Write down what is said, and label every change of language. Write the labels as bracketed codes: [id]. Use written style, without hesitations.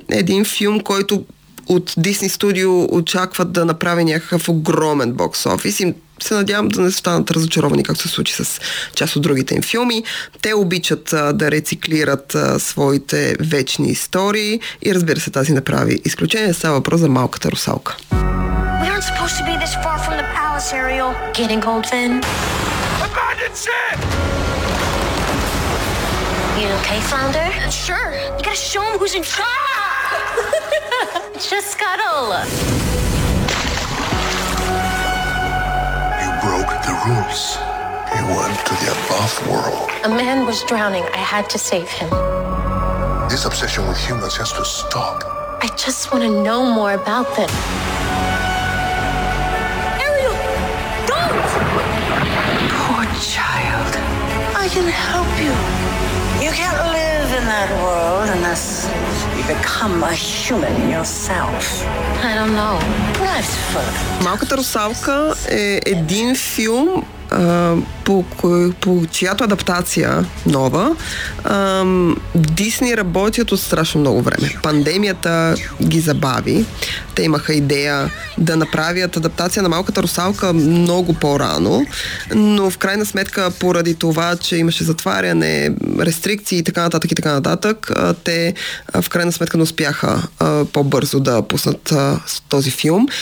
[bg] Един филм, който от Disney Studio очакват да направи някакъв огромен бокс офис и се надявам да не станат разочаровани, както се случи с част от другите им филми. Те обичат да рециклират своите вечни истории и разбира се, тази направи изключение. Става въпрос за Малката русалка. [en] We aren't supposed to be this far from the palace, Ariel. Getting old, Finn. Abandon ship! You okay, Flounder? Sure. You gotta show him who's in charge. It's just Scuttle. Broke the rules. He went to the above world. A man was drowning. I had to save him. This obsession with humans has to stop. I just want to know more about them. Ariel! Don't! Poor child. I can help you. You can't live in that world unless you become a human yourself. I don't know. Life's fun. [bg] Малката русалка е един филм, по чиято адаптация нова Дисни работят от страшно много време. Пандемията ги забави. Те имаха идея да направят адаптация на Малката русалка много по-рано, но в крайна сметка поради това, че имаше затваряне, рестрикции и така нататък и така нататък, те в крайна сметка не успяха по-бързо да пуснат този филм.